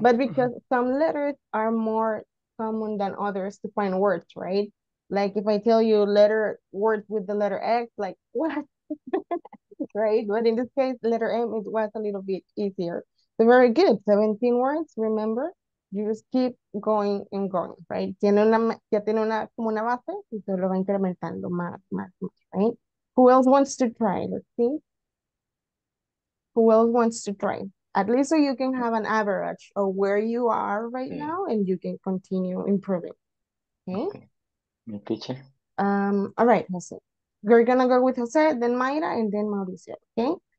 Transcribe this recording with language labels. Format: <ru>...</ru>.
<en>But because some letters are more common than others to find words, right? Like if I tell you letter words with the letter X, like what? Right, but in this case, letter M was a little bit easier. So very good, 17 words, remember? You just keep going and going, right?</en> <es>Ya tiene una como una base y se lo va incrementando más,</es> <en>right? Who else wants to try? Let's see. Who else wants to try? At least so you can have an average of where you are right now and you can continue improving. Okay? My teacher. All right, Jose. You're going to go with Jose, then Mayra, and then Mauricio, okay?</en>